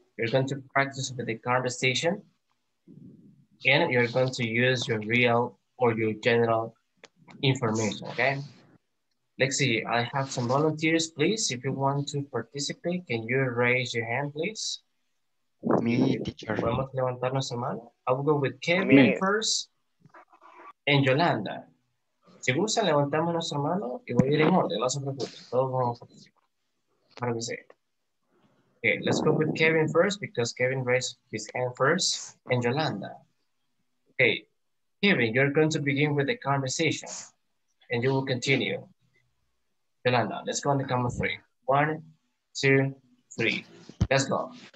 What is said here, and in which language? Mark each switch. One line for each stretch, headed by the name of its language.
English: You're going to practice with the conversation and you're going to use your real or your general information, okay? Let's see, I have some volunteers, please. If you want to participate, can you raise your hand, please? Me, teacher.
Spanish: Vamos a levantarnos la mano.
English: I will go with Kevin first and Yolanda.
Spanish: Si gustan, levantamos nuestra mano y voy a ir en orden, no se preocupen. Todos vamos a participar. Para que sea.
English: Okay, let's go with Kevin first because Kevin raised his hand first and Yolanda. Okay, Kevin, you're going to begin with the conversation and you will continue. Yolanda, let's go on the camera three. 1, 2, 3. Let's go.